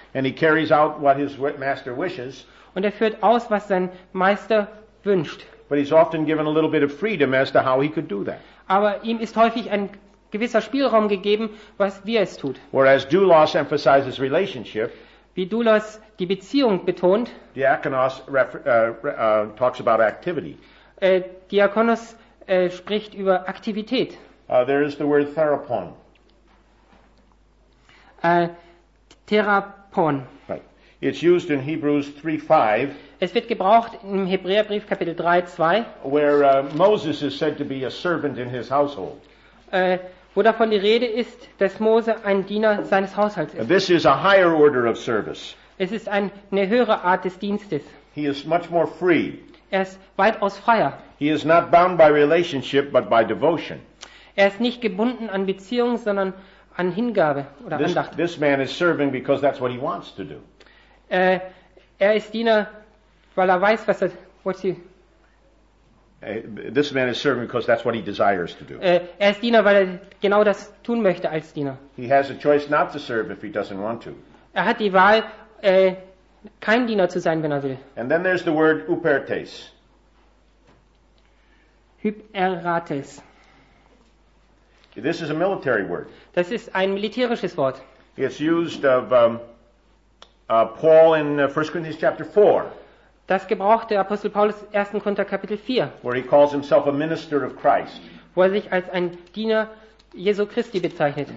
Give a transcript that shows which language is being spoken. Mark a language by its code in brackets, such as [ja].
[en] And he carries out what his master wishes. [de] Und er führt aus, was sein Meister wünscht. [en] But he's often given a little bit of freedom as to how he could do that. [de] Aber ihm ist häufig ein gewisser Spielraum gegeben, was wie er es tut. [en] Whereas doulos emphasizes relationship. [de] Wie doulos die Beziehung betont. [en] Diakonos talks about activity. [de] Diakonos spricht über Aktivität. [en] There is the word therapon. [de] Therapon. [en] Right. It's used in Hebrews 3:5. [de] Es wird gebraucht im Hebräerbrief Kapitel 3:2. [en] Where Moses is said to be a servant in his household. [de] Wo davon die Rede ist, dass Mose ein Diener seines Haushalts ist. [en] This is a higher order of service. [de] Es ist eine höhere Art des Dienstes. [en] He is much more free. [de] Er ist weitaus freier. [en] He is not bound by relationship, but by devotion. [de] Er ist nicht gebunden an Beziehung, sondern an Hingabe oder Andacht. [en] This man is serving because that's what he wants to do. [de] Er ist Diener, weil er weiß, was er. [en] This man is serving because that's what he desires to do. [de] Er ist Diener, weil er genau das tun möchte als Diener. [en] He has a choice not to serve if he doesn't want to. [de] Er hat die Wahl, kein Diener zu sein, wenn er will. [en] And then there's the word hypertes. [de] Hyperates. [en] This is a military word. [de] Das ist ein militärisches Wort. [en] It's used of Paul in 1 Corinthians chapter 4. [de] Das gebraucht der Apostel Paulus 1. Korinther Kapitel 4. [en] Where he calls himself a minister of Christ. [de] Wo er sich als ein Diener Jesu Christi bezeichnet.